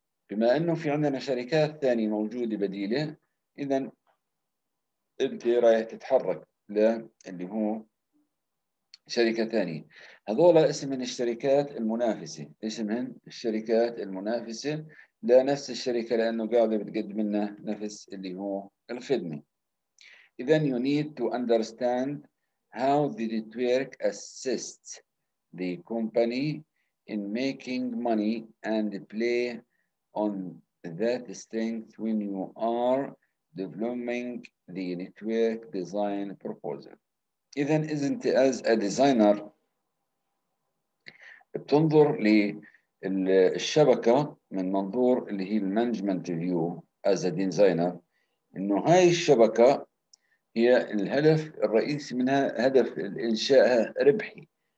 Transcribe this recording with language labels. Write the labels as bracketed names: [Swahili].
[Arabic] بما أنه في عندنا شركات ثانية موجودة بديلة، إذا أنت رايح تتحرك للي هو شركة ثانية. هذولا اسم من الشركات المنافسة، اسمهن الشركات المنافسة لنفس الشركة لأنه قاعدة بتقدم لنا نفس اللي هو الخدمة. [English] إذا you need to understand how the network assists the company in making money and play on that strength when you are developing the network design proposal. [Arabic] إذا [English] isn't as a designer [Arabic] بتنظر للشبكة من منظور اللي هي المانجمنت فيو [English] as a designer، [Arabic] إنه هاي الشبكة هي الهدف الرئيسي منها هدف إنشائها ربحي.